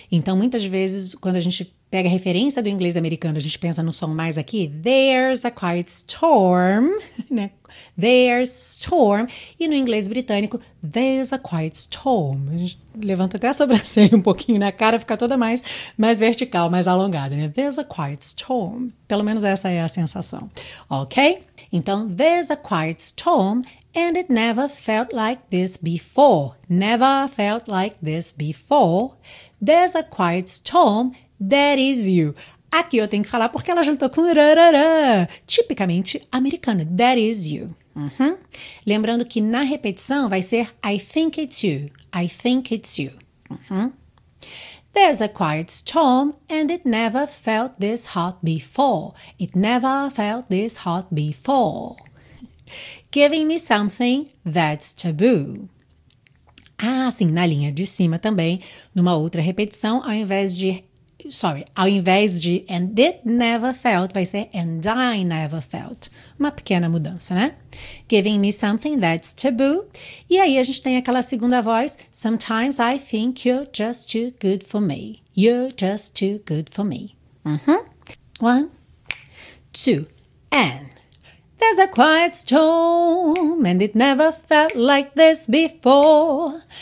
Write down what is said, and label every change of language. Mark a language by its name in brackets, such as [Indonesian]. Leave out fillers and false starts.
[Portuguese] Então, muitas vezes, quando a gente pega a referência do inglês americano, a gente pensa no som mais aqui, [English] there's a quiet storm, [Portuguese] né? [English] There's storm. [Portuguese] E no inglês britânico, [English] there's a quiet storm. [Portuguese] A gente levanta até a sobrancelha um pouquinho na cara, fica toda mais vertical, mais alongada, né? [English] There's a quiet storm. [Portuguese] Pelo menos essa é a sensação, ok? [English] Então, there's a quiet storm and it never felt like this before. Never felt like this before. There's a quiet storm. That is you. [Portuguese] Aqui eu tenho que falar porque ela juntou com rarará. Tipicamente americano. [English] That is you. [Portuguese] Uhum. Lembrando que na repetição vai ser [English] I think it's you. I think it's you. Uhum. There's a quiet storm and it never felt this hot before. It never felt this hot before. Ok? giving me something that's taboo. [Portuguese] Ah, sim, na linha de cima também, numa outra repetição, ao invés de, [English] sorry, [Portuguese] ao invés de [English] and it never felt, [Portuguese] vai ser [English] and I never felt. [Portuguese] Uma pequena mudança, né? [English] Giving me something that's taboo. [Portuguese] E aí a gente tem aquela segunda voz, [English] sometimes I think you're just too good for me. You're just too good for me. Uh-huh. One, two, and. There's a quiet storm, and it never felt like this before.